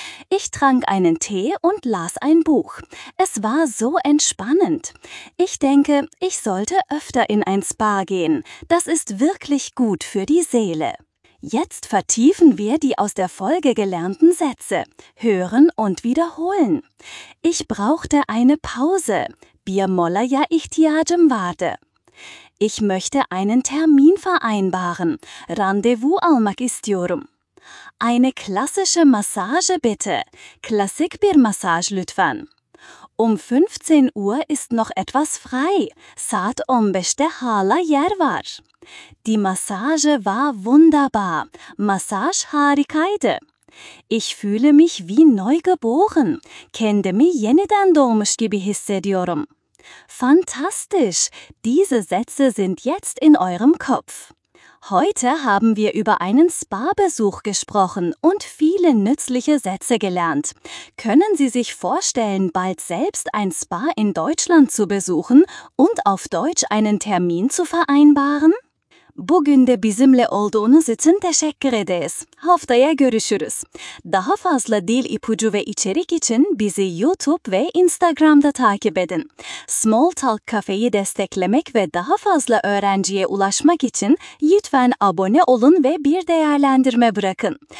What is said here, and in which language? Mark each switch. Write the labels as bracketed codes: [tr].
[de] Ich trank einen Tee und las ein Buch. Es war so entspannend. Ich denke, ich sollte öfter in ein Spa gehen. Das ist wirklich gut für die Seele. Jetzt vertiefen wir die aus der Folge gelernten Sätze. Hören und wiederholen. Ich brauchte eine Pause. [tr] Bir molaya ihtiyacım vardı. [de] Ich möchte einen Termin vereinbaren. [tr] Randevu almak istiyorum. [de] Eine klassische Massage bitte. [tr] Klassik bir masaj lütfen. [de] Um 15 Uhr ist noch etwas frei. [tr] Saat 15'te hala yer var. [de] Die Massage war wunderbar. [tr] Massage harikaydı. [de] Ich fühle mich wie neugeboren. [tr] Kendimi yeniden doğmuş gibi hissediyorum. [de] Fantastisch! Diese Sätze sind jetzt in eurem Kopf. Heute haben wir über einen Spa-Besuch gesprochen und viele nützliche Sätze gelernt. Können Sie sich vorstellen, bald selbst ein Spa in Deutschland zu besuchen und auf Deutsch einen Termin zu vereinbaren? [tr] Bugün de bizimle olduğunuz için teşekkür ederiz. Haftaya görüşürüz. Daha fazla dil ipucu ve içerik için bizi YouTube ve Instagram'da takip edin. Small Talk Cafe'yi desteklemek ve daha fazla öğrenciye ulaşmak için lütfen abone olun ve bir değerlendirme bırakın.